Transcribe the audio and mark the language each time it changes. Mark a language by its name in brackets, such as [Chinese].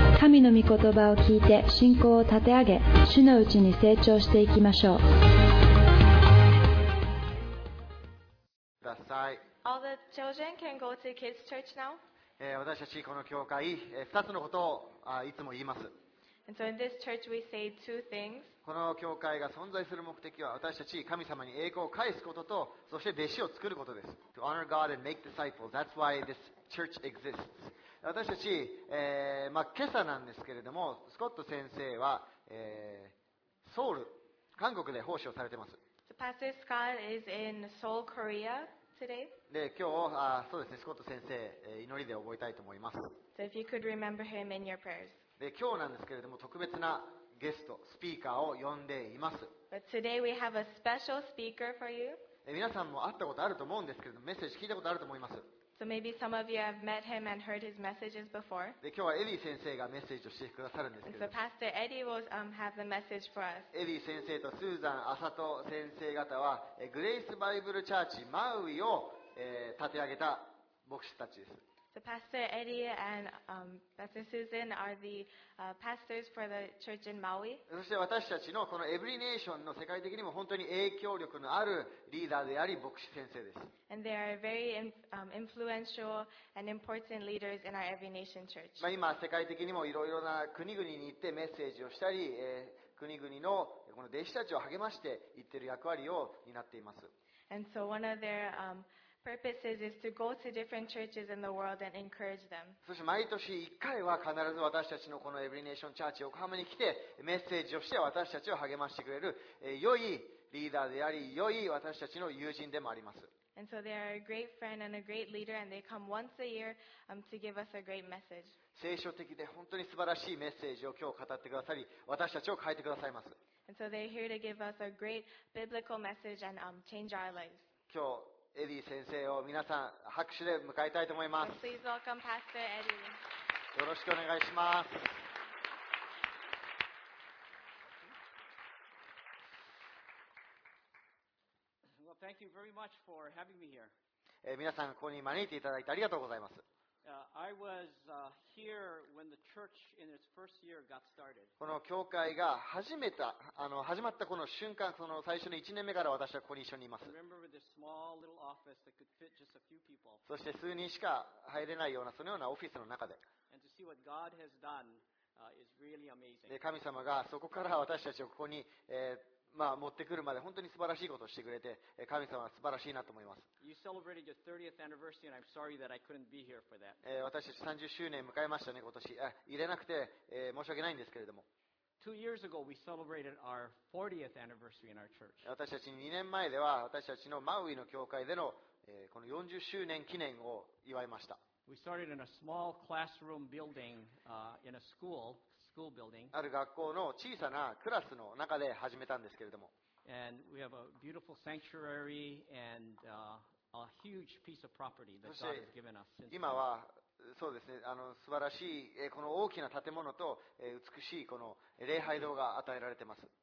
[Japanese] 神の御言葉を聞いて信仰を立て上げ、主のうちに成長していきましょう。ください。 [English] All the children can go to Kids Church now. [Japanese] 私たちこの教会、2つのことをいつも言います。 [English] And so in this church we say two things. [Japanese] この教会が存在する目的は私たち神様に栄光を返すことと、そして弟子を作ることです。 [English] To honor God and make disciples. That's why this church exists. [Japanese] 私たち、今朝なんですけれども、スコット先生は、ソウル、韓国で奉仕をされています。 [English] So Pastor Scott is in Seoul, Korea today. [Japanese] で、今日、そうですね、スコット先生、祈りで覚えたいと思います。 [English] So if you could remember him in your prayers. [Japanese] で今日なんですけれども、特別なゲスト、スピーカーを呼んでいます。 [English] But today we have a special speaker for you. [Japanese] 皆さんも会ったことあると思うんですけれども、メッセージ聞いたことあると思います。 [English] So maybe some of you have met him and heard his messages before. [Japanese] で今日はエリー先生がメッセージをしてくださるんですけれども。 [English] So Pastor Eddie will have the message for us. [Japanese] エリー先生とスーザン・アサト先生方は、グレイスバイブルチャーチマウイを、立て上げた牧師たちです。 [English] So Pastor Eddie and Pastor Susan are the pastors for the church in Maui. [Japanese] そして私たちのこのエブリネーションの世界的にも本当に影響力のあるリーダーであり牧師先生です。 [English] And they are very influential and important leaders in our Every Nation Church. [Japanese] まあ今世界的にもいろいろな国々に行ってメッセージをしたり、国々のこの弟子たちを励まして行ってる役割を担っています。 [English] And so one of their purposes is to go to different churches in the world and encourage them. [Japanese] そして毎年1回は必ず私たちのこのエブリネーションチャーチ横浜に来てメッセージをして私たちを励ましてくれる良いリーダーであり良い私たちの友人でもあります。 [English] And so they are a great friend and a great leader and they come once a year to give us a great message. [Japanese] 聖書的で本当に素晴らしいメッセージを今日語ってくださり私たちを変えてくださいます。 [English] And so they're here to give us a great biblical message and change our lives. [Japanese] 今日エディ先生を皆さん拍手で迎えたいと思います。 [English] Please welcome Pastor Eddie. [Japanese] よろしくお願いします。 [English] Well, thank you very much for having me here. [Japanese] 皆さんここに招いていただいてありがとうございます。 [English] I was here when the church in its first year got started. [Japanese] この教会が始まったこの瞬間、その最初の1年目から私はここに一緒にいます。 [English] Remember with this small little office that could fit just a few people. [Japanese] そして数人しか入れないようなそのようなオフィスの中で。 [English] And to see what God has done is really amazing. [Japanese] で神様がそこから私たちをここに、持ってくるまで本当に素晴らしいことをしてくれて神様は素晴らしいなと思います。私たち30周年迎えましたね今年。入れなくて、申し訳ないんですけれども。 [English] Two years ago, we celebrated our 40th anniversary in our church. [Japanese] 私たち2年前では私たちのマウイの教会での、この40周年記念を祝いました。 [English] We started in a small classroom building, in a school. School building. [Japanese] ある学校の小さなクラスの中で始めたんですけれども。 [English] And we have a beautiful sanctuary and a huge piece of property that God has given us since. [Japanese] 今はそうですね、素晴らしいこの大きな建物と美しいこの礼拝堂が与えられてます。